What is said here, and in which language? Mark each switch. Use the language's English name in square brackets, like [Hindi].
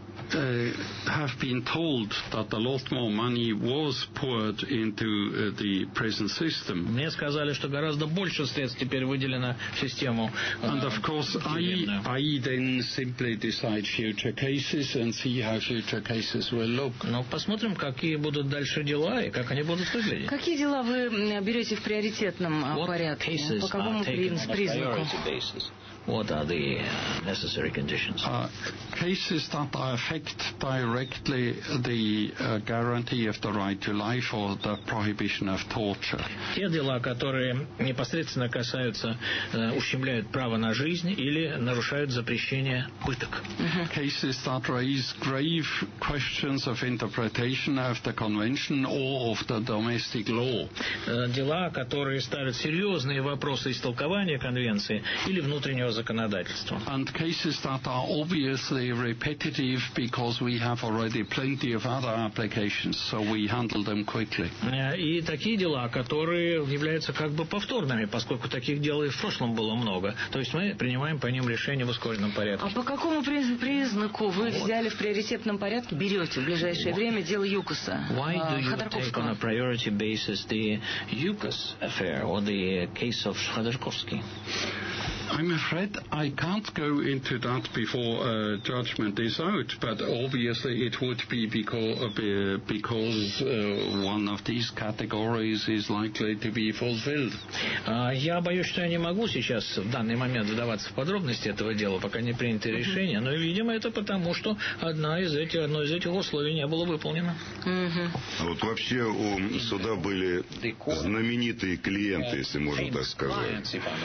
[English] Have been told that a lot more money was poured into the prison system. [Russian] Мне сказали, что гораздо больше средств теперь выделено в систему. [English] And of course, I then simply decide future cases and see how future cases will look. [Russian] Но посмотрим, какие будут дальше дела и как они будут выглядеть. Какие дела вы берете в приоритетном порядке? По какому признаку? [English] What are the necessary conditions? Cases that affect directly the guarantee of the right to life or the prohibition of torture. [Russian] Те дела, которые непосредственно касаются, ущемляют право на жизнь или нарушают запрещение пыток. [English] Cases that raise grave questions of interpretation of the convention or of the domestic law. [Russian] Дела, которые ставят серьезные вопросы истолкования конвенции или внутреннего законодательства. [English] And cases that are obviously repetitive because we have already plenty of other applications, so we handle them quickly. [Russian] И такие дела, которые являются как бы повторными, поскольку таких дел и в прошлом было много. То есть мы принимаем по ним решение в ускоренном порядке. А по какому признаку вы взяли в приоритетном порядке, берете в ближайшее время дело ЮКОСа? [English] Why do you take on a priority basis the ЮКОС affair or the case of Ходорковский? I'm afraid I can't go into that before judgment is out, but... But obviously it would be because one of these categories is likely to be fulfilled. [Russian] Я боюсь, что я не могу сейчас в данный момент вдаваться в подробности этого дела, пока не принято решение. Но, видимо, это потому, что одно из этих условий не было выполнено. А вот вообще у суда были знаменитые клиенты, если можно так сказать.